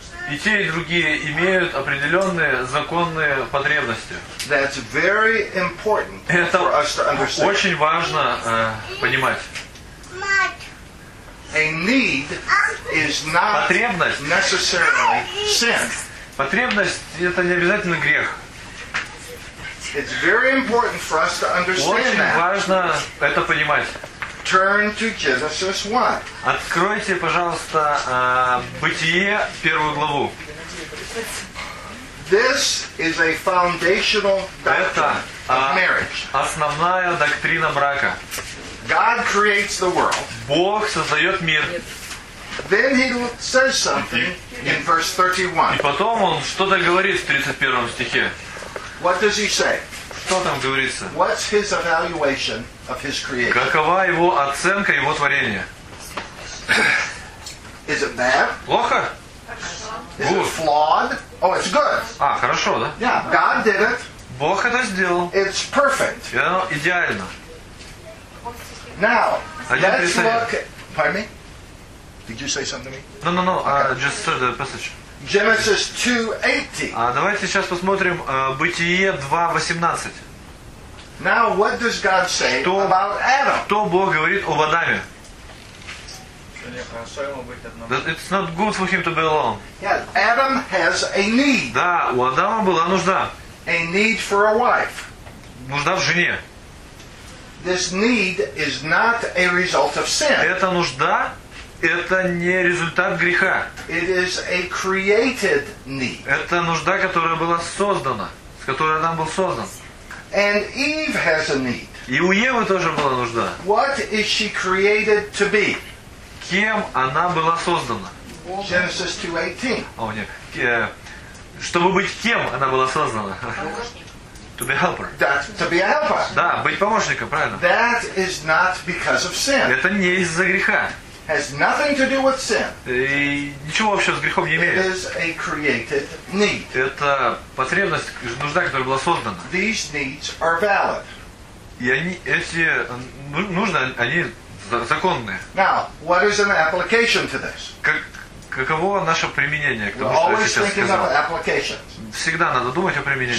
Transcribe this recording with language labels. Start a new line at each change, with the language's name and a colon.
Russian: И те, и другие имеют определенные законные потребности.
English: That's very important for us to understand.
Russian: Это очень важно понимать.
English: A need is not
Russian: потребность.
English: Necessarily sin.
Russian: Потребность – это не обязательно грех.
English: It's very important for us to understand
Russian: очень
English: that.
Russian: Важно это понимать.
English: Turn to Genesis 1.
Russian: Откройте, пожалуйста, Бытие, первую главу.
English: This is a foundational doctrine of marriage.
Russian: Основная доктрина брака.
English: God creates the world.
Russian: Бог создает мир.
English: Then he says something in verse 31.
Russian: И потом он что-то говорит в 31 стихе.
English: What does he say?
Russian: Что там говорится?
English: What's his evaluation of his creation?
Russian: Какова его оценка его творения?
English: Is it bad?
Russian: Плохо?
English: Is it flawed? Oh, it's good.
Russian: А, хорошо, да?
English: Yeah, God did it.
Russian: Бог это сделал.
English: It's perfect.
Russian: Оно идеально.
English: Now, let's look. Pardon me? Did you say something to me? No. Okay. Just search the passage. Genesis 2:18.
Russian: А давайте сейчас посмотрим Бытие 2:18.
English: Now what does God say about Adam?
Russian: Что Бог говорит об Адаме?
English: It's not good for him to be alone. Yeah, Adam has a need.
Russian: Да, у Адама была нужда.
English: A need for a wife.
Russian: нужда в жене.
English: This need is not a result of sin.
Russian: Эта нужда – это не результат греха.
English: It is a created need.
Russian: Это нужда, которая была создана, с которой Адам был создан.
English: And Eve has a need.
Russian: И у Евы тоже была нужда.
English: What is she created to be?
Russian: Кем она была создана?
English: Genesis 2:18.
Russian: О, нет. Чтобы быть кем она была создана?
English: To be a helper. To be a helper.
Russian: Да, быть помощником, правильно?
English: That is not because of sin.
Russian: Это не из-за греха.
English: Has nothing to do with sin.
Russian: И ничего общего с грехом не имеет.
English: It is a created need.
Russian: Это потребность, нужда, которая была создана.
English: These needs are valid.
Russian: И они, эти нужды, они законные.
English: Now, what is an application to this?
Russian: Каково наше применение к тому,
English: We're
Russian: что я сейчас сказал? Всегда надо думать о применении.